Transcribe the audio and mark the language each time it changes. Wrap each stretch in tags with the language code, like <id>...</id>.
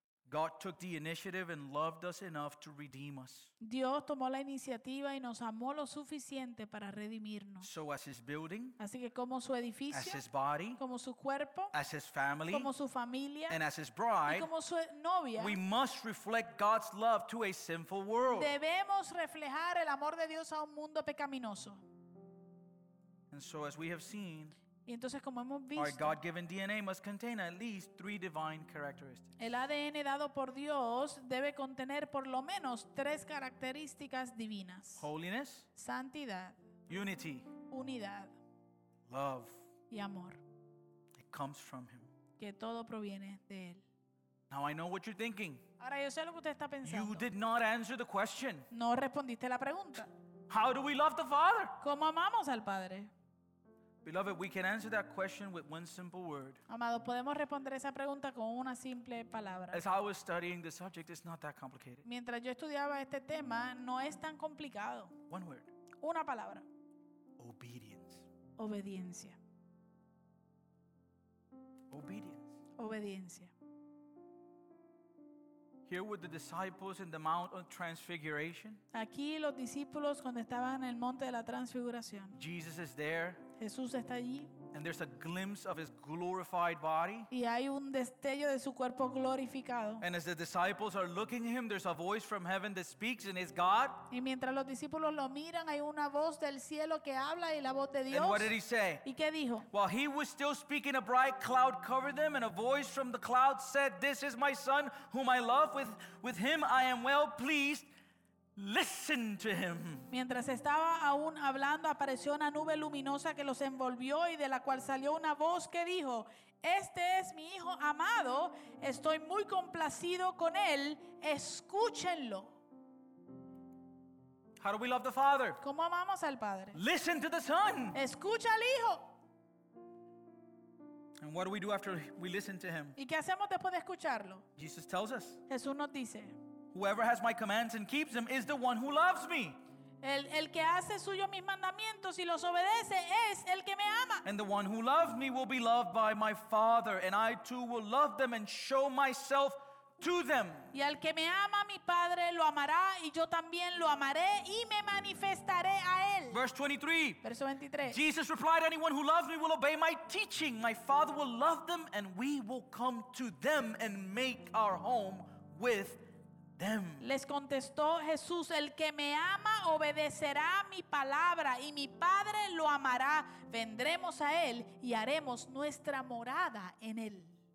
<en>God took the initiative and loved us enough to redeem us.</en> <es>Dios tomó la iniciativa y nos amó lo suficiente para redimirnos.</es> <en>So as his building,</en> <es>así que como su edificio,</es> <en>as his body,</en> <es>como su cuerpo,</es> <en>as his family,</en> <es>como su familia,</es> <en>and as his bride,</en> <es>y como su novia,</es> <en>we must reflect God's love to a sinful world.</en> <es>Debemos reflejar el amor de Dios a un mundo pecaminoso.</es> <en>And so as we have seen,</en> <es>y entonces, como hemos visto,</es> <en>our God-given DNA must contain at least three divine characteristics.</en> <es>El ADN dado por Dios debe contener por lo menos tres características divinas.</es> <en>Holiness.</en> <es>Santidad.</es> <en>Unity.</en> <es>Unidad.</es> <en>Love.</en> <es>Y amor.</es> <en>It comes from him.</en> <es>Que todo proviene de él.</es> <en>Now I know what you're thinking.</en> <es>Ahora yo sé lo que usted está pensando.</es> <en>You did not answer the question.</en> <es>No respondiste la pregunta.</es> <en>How do we love the Father?</en> <es>¿Cómo amamos al Padre?</es> <en>Beloved, we can answer that question with one simple word.</en> <es>Amado, podemos responder esa pregunta con una simple palabra.</es> <en>As I was studying the subject, it's not that complicated.</en> <es>Mientras yo estudiaba este tema, no es tan complicado.</es> <en>One word.</en> <es>Una palabra.</es> <en>Obedience.</en> <es>Obediencia.</es> <en>Obedience.</en> <es>Obediencia.</es> <en>Here with the disciples in the Mount of Transfiguration.</en> <es>Aquí los discípulos cuando estaban en el Monte de la Transfiguración.</es> <en>Jesus is there.</en> <es>Jesús está allí.</es> <en>And there's a glimpse of his glorified body.</en> <es>Y hay un destello de su cuerpo glorificado.</es> <en>And as the disciples are looking at him, there's a voice from heaven that speaks, and it's God.</en> <es>Y mientras los discípulos lo miran, hay una voz del cielo que habla y la voz de Dios.</es> <en>And what did he say?</en> <es>¿Y qué dijo?</es> <en>While he was still speaking, a bright cloud covered them, and a voice from the cloud said, "This is my son, whom I love; with him I am well pleased." Listen to him.</en> <es>Mientras estaba aún hablando, apareció una nube luminosa que los envolvió y de la cual salió una voz que dijo: "Este es mi hijo amado, estoy muy complacido con él, escúchenlo."</es> <en>How do we love the Father?</en> <es>¿Cómo amamos al Padre?</es> <en>Listen to the Son.</en> <es>Escucha al Hijo.</es> <en>And what do we do after we listen to him?</en> <es>¿Y qué hacemos después de escucharlo?</es> <en>Jesus tells us.</en> <es>Jesús nos dice:</es> <en>"Whoever has my commands and keeps them is the one who loves me."</en> <es>El que hace suyo mis mandamientos y los obedece es el que me ama.</es> <en>"And the one who loves me will be loved by my Father, and I too will love them and show myself to them."</en> <es>Y al que me ama mi Padre lo amará y yo también lo amaré y me manifestaré a él.</es> <en>Verse 23.</en> <es>Verso 23.</es> <en>Jesus replied, "Anyone who loves me will obey my teaching. My Father will love them and we will come to them and make our home with them."</en> <es>Les contestó Jesús: "El que me ama obedecerá mi palabra y mi Padre lo amará. Vendremos a él y haremos nuestra morada en él."</es>